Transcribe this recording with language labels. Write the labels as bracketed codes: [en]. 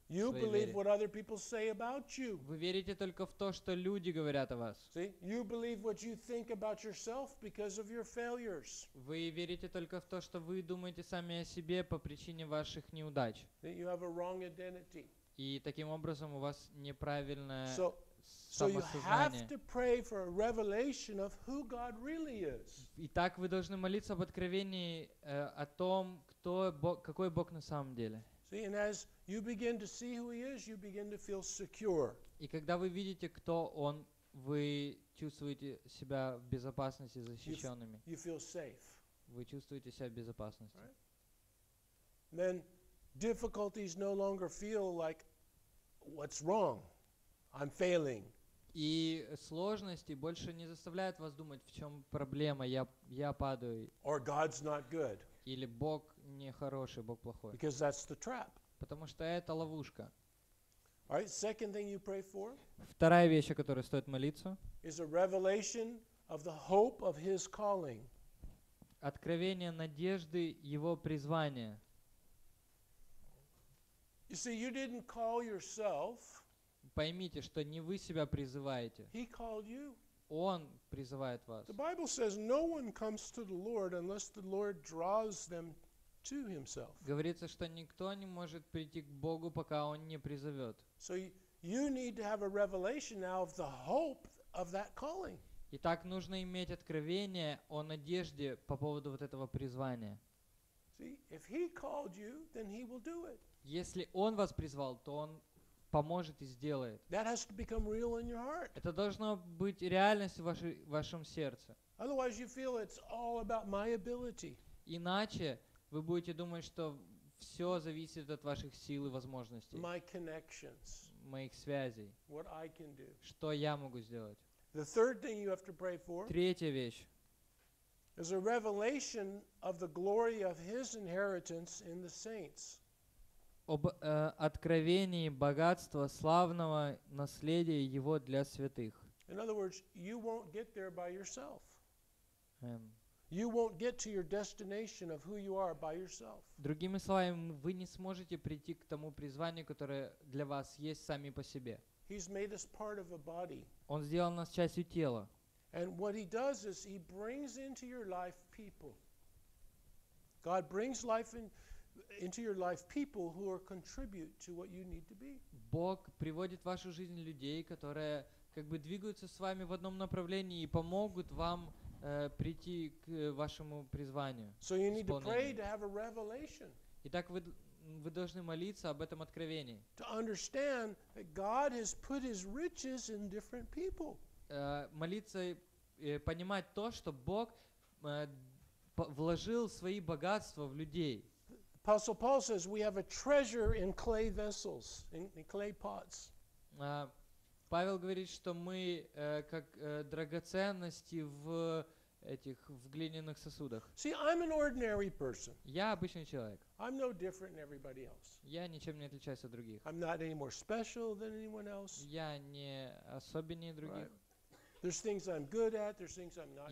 [en] You believe what other people say about you. [ru] Вы верите только в то, что люди говорят о вас. [en] See? You believe what you think about yourself because of your failures. [ru] Вы верите только в то, что вы думаете сами о себе по причине ваших неудач. [en] You have a wrong identity. [ru] И таким образом у вас неправильное [en] So you have to pray for a revelation of who God really is. [ru] Итак, вы должны молиться об откровении о том, кто Бог, какой Бог на самом деле. [en] See, and as you begin to see who He is, you begin to feel secure. [ru] И когда вы видите, кто Он, вы чувствуете себя в безопасности, защищенными. [en] You feel safe. [ru] Вы чувствуете себя в безопасности. [en] Then difficulties no longer feel like what's wrong. I'm failing. [ru] И сложности больше не заставляют вас думать, в чем проблема, я падаю. [en] Or God's not good. [ru] Или Бог не хороший, Бог плохой. [en] Because that's the trap. [ru] Потому что это ловушка. [en] All right, second thing you pray for? [ru] Вторая вещь, о которой стоит молиться. [en] Is a revelation of the hope of his calling. [ru] Откровение надежды его призвания. [en] You see, you didn't call yourself. [ru] Поймите, что не вы себя призываете. [en] He called you. [ru] Он призывает вас. [en] The Bible says, no one comes to the Lord unless the Lord draws them to himself. [ru] Говорится, что никто не может прийти к Богу, пока он не призовет. [en] So you need to have a revelation now of the hope of that calling. [ru] Итак, нужно иметь откровение о надежде по поводу вот этого призвания. [en] See, if he called you, then he will do it. [ru] Если он вас призвал, то он поможет и сделает. [en] That has to become real in your heart. [ru] Это должно быть реальностью в вашем сердце. [en] Otherwise you feel it's all about my ability. [ru] Иначе вы будете думать, что все зависит от ваших сил и возможностей. [en] My connections. [ru] Моих связей. [en] What I can do. [ru] Что я могу сделать. [en] The third thing you have to pray for. [ru] Третья вещь. [en] Is a revelation of the glory of his inheritance in the saints. [ru] Об откровении богатства славного наследия его для святых. [en] In other words, you won't get there by yourself. You won't get to your destination of who you are by yourself. [ru] Другими словами, вы не сможете прийти к тому призванию, которое для вас есть сами по себе. [en] He's made us part of a body. [ru] Он сделал нас частью тела. [en] And what he does is he brings into your life people. God brings life into your life people who are contribute to what you need to be. [ru] Бог приводит в вашу жизнь людей, которые как бы двигаются с вами в одном направлении и помогут вам прийти к вашему призванию. [en] So you need to pray to have a revelation. [ru] Итак, вы должны молиться об этом откровении. [en] To understand that God has put his riches in different people. [ru] Молиться и понимать то, что Бог вложил свои богатства в людей. [en] Apostle Paul says we have a treasure in clay vessels, in clay pots. [ru] Павел говорит, что мы как драгоценности в этих в глиняных сосудах. [en] See, I'm an ordinary person. [ru] Я обычный человек. [en] I'm no different than everybody else. [ru] Я ничем не отличаюсь от других. [en] I'm not any more special than anyone else. [ru] Я не особеннее других. [en] There's things I'm good at, there's things I'm not good at.